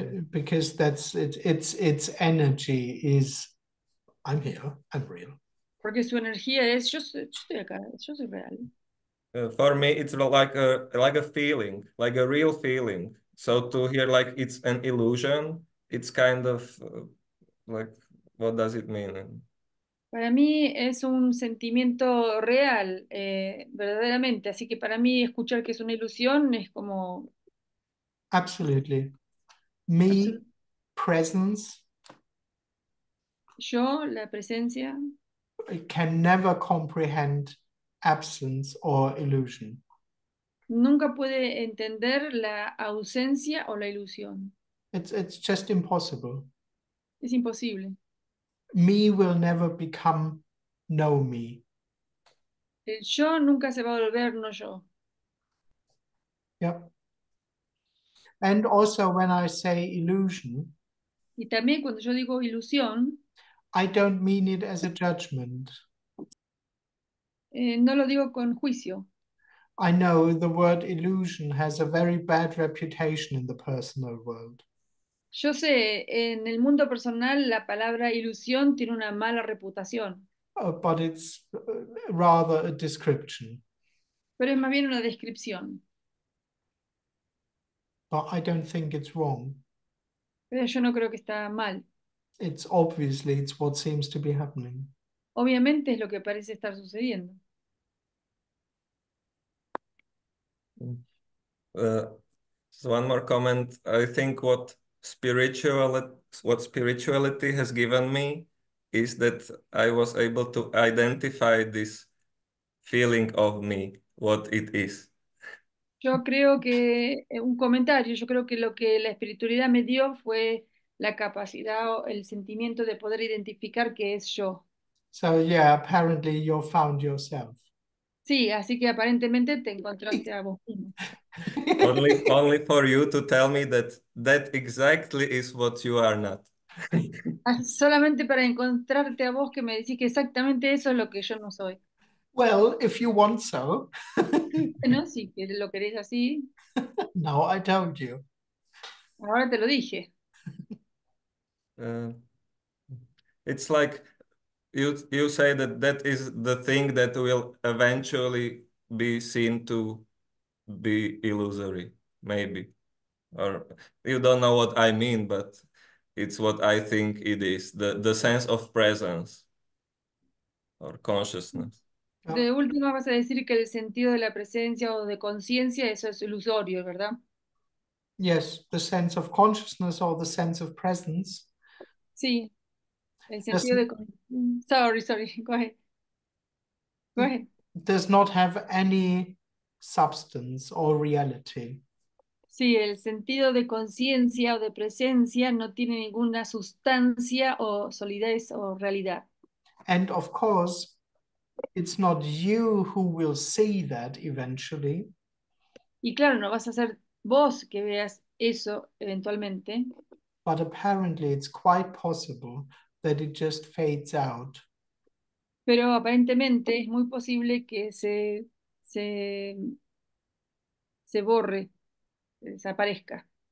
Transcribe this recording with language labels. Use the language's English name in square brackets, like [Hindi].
[English] Because that's it, its energy is, I'm here, I'm real. [Spanish] Porque su energía es, yo estoy acá, yo soy real. [English] For me, it's like a feeling, like a real feeling. So to hear like it's an illusion, it's kind of like, what does it mean? [Spanish] Para mí es un sentimiento real, verdaderamente. Así que para mí escuchar que es una ilusión es como... [English] Absolutely. Me, presence. [Spanish] Yo, la presencia. [English] It can never comprehend absence or illusion. [Spanish] Nunca puede entender la ausencia o la ilusión. [English] It's just impossible. [Spanish] Es imposible. [English] Me will never become no me. [Spanish] El yo nunca se va a volver no yo. [English] Yep. And also when I say illusion, [Spanish] y también cuando yo digo ilusión, [English] I don't mean it as a judgment. [Spanish] No lo digo con juicio. [English] I know the word illusion has a very bad reputation in the personal world. [Spanish] Yo sé, en el mundo personal la palabra ilusión tiene una mala reputación. [English] But it's rather a description. [Spanish] Pero es más bien una descripción. [English] But I don't think it's wrong. [Spanish] Pero yo no creo que está mal. [English] It's obviously it's what seems to be happening. [Spanish] Obviamente es lo que parece estar sucediendo. [English] So one more comment. I think what spirituality has given me is that I was able to identify this feeling of me, what it is. [Spanish] Yo creo que un comentario, yo creo que lo que la espiritualidad me dio fue la capacidad o el sentimiento de poder identificar qué es yo. [English] So yeah, apparently you found yourself. [Spanish] Sí, así que aparentemente te encontraste a vos mismo. [English] Only for you to tell me that exactly is what you are not. [Spanish] Solamente para encontrarte a vos que me decís que exactamente eso es lo que yo no soy. [English] Well, if you want so. [Spanish] No, si lo querés así. [English] No, I told you. [Spanish] Ahora te lo dije. [English] It's like you say that is the thing that will eventually be seen to be illusory, maybe. Or you don't know what I mean, but it's what I think it is, the sense of presence or consciousness. [Spanish] De última vas a decir que el sentido de la presencia o de conciencia, eso es ilusorio, ¿verdad? [English] Yes, the sense of consciousness or the sense of presence. [Spanish] Sí, el sentido de conciencia. [English] Sorry, go ahead. Does not have any substance or reality. [Spanish] Sí, el sentido de conciencia o de presencia no tiene ninguna sustancia o solidez o realidad. [English] And of course, it's not you who will see that eventually. [Spanish] Y claro, no vas a ser vos que veas eso eventualmente. [English] But apparently it's quite possible that it just fades out. [Spanish] Pero aparentemente es muy posible que se borre, desaparezca.